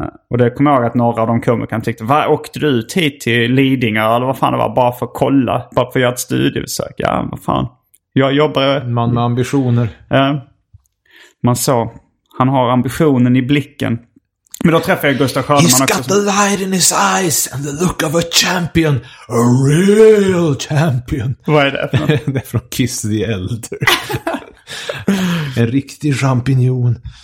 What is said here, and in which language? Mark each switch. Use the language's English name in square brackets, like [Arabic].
[Swedish] Och det kommer jag ihåg att några av de komikerna tyckte, var åkte du ut hit till Lidingö eller vad fan det var, bara för att kolla, bara för att göra ett studiebesök? Ja, vad fan, jag jobbar man med ambitioner. Man sa, han har ambitionen i blicken. Men då träffade jag Gustav Sjöderman. [English] He's [Swedish] också [English] got the light in his eyes and the look of a champion, a real champion. [Swedish] Vad är det? Det är från Kiss the Elder. En riktig champignon.